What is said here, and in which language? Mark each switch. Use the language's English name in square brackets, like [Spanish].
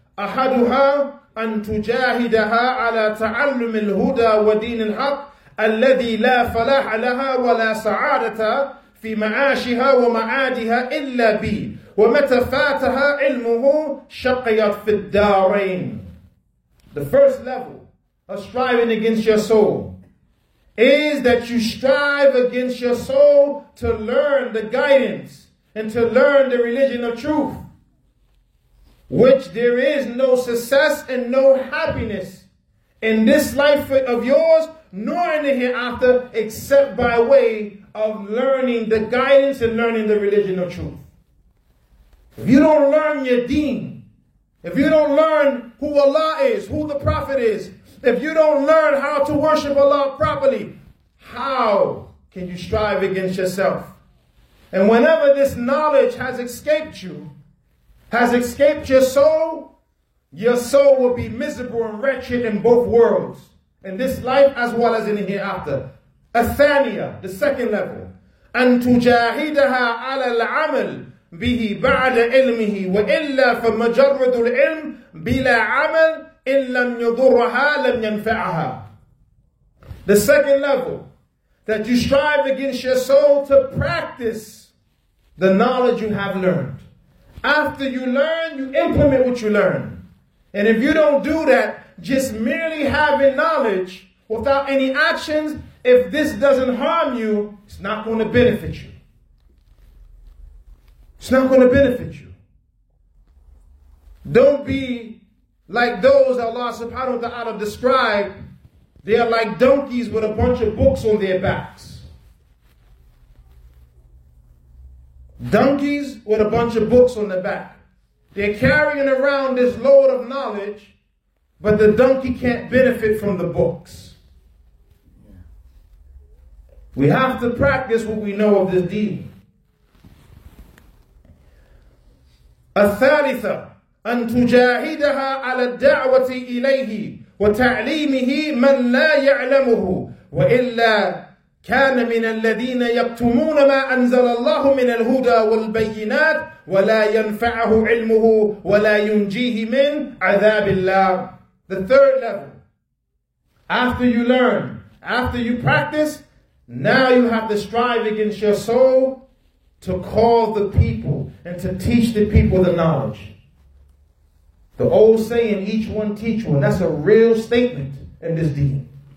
[Arabic] Ahaduha an tujahidaha ala ta'allum al-huda wa deen al-haq alladhi la falaha laha wa la sa'adata في معاشها ومعادها إلا بي ومتى فاتها علمه شقيت في الدارين. [English] The first level of striving against your soul is that you strive against your soul to learn the guidance and to learn the religion of truth, which there is no success and no happiness in this life of yours nor in the hereafter except by way of learning the guidance and learning the religion of truth. If you don't learn your deen, if you don't learn who Allah is, who the Prophet is, if you don't learn how to worship Allah properly, how can you strive against yourself? And whenever this knowledge has escaped you, has escaped your soul will be miserable and wretched in both worlds, in this life as well as in the hereafter. Athaniya, the second level. [Arabic] أن تجاهدها على العمل به بعد علمه وإلا فمجرد العلم بلا عمل إن لم يضرها لم ينفعها. [English] The second level, that you strive against your soul to practice the knowledge you have learned. After you learn, you implement what you learn. And if you don't do that, just merely having knowledge without any actions, if this doesn't harm you, it's not going to benefit you. It's not going to benefit you. Don't be like those Allah subhanahu wa ta'ala described. They are like donkeys with a bunch of books on their backs. Donkeys with a bunch of books on their back. They're carrying around this load of knowledge, but the donkey can't benefit from the books. We have to practice what we know of this deen. [Arabic] الثالثة أن تجاهدها على الدعوة إليه وتعليمه من لا يعلمه وإلا كان من الذين يكتمون ما أنزل الله من الهدى والبينات ولا ينفعه علمه ولا ينجيه من عذاب الله. [English] The third level. After you learn, after you practice, now you have to strive against your soul to call the people and to teach the people the knowledge. The old saying, each one teach one. That's a real statement in this deen.